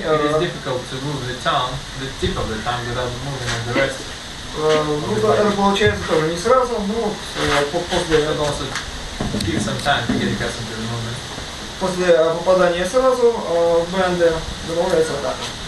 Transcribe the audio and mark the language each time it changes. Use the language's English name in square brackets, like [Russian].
[English] It is difficult to move the tongue, the tip of the tongue, without moving the rest. [Russian] Ну, это получается тоже не сразу, но после... [English] It also gives some time to get accustomed to the movement. [Russian] После попадания сразу в бенде добавляется атака.